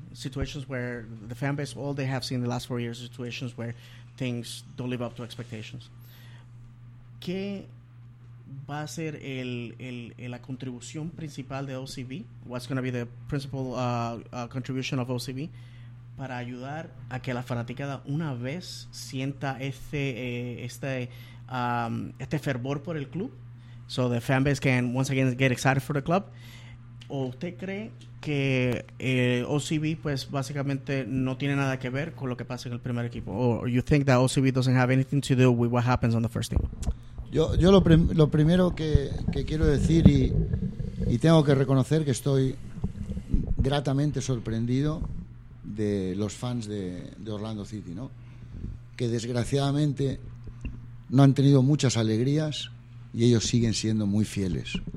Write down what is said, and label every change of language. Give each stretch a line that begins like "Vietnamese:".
English: Situations where the fan base, all they have seen in the last 4 years, situations where things don't live up to expectations.
Spanish: ¿Qué va a ser la contribución principal de OCB?
English: What's going to be the principal contribution of OCB
Spanish: para ayudar a que la fanaticada una vez sienta este fervor por el club,
English: so the fan base can once again get excited for the club?
Spanish: ¿O usted cree que OCB pues básicamente no tiene nada que ver con lo que pasa en el primer equipo?
English: Or you think that OCB doesn't have anything to do with what happens on the first team?
Spanish: Yo lo primero que quiero decir y tengo que reconocer que estoy gratamente sorprendido de los fans de Orlando City, ¿no? Que desgraciadamente no han tenido muchas alegrías y ellos siguen siendo muy fieles.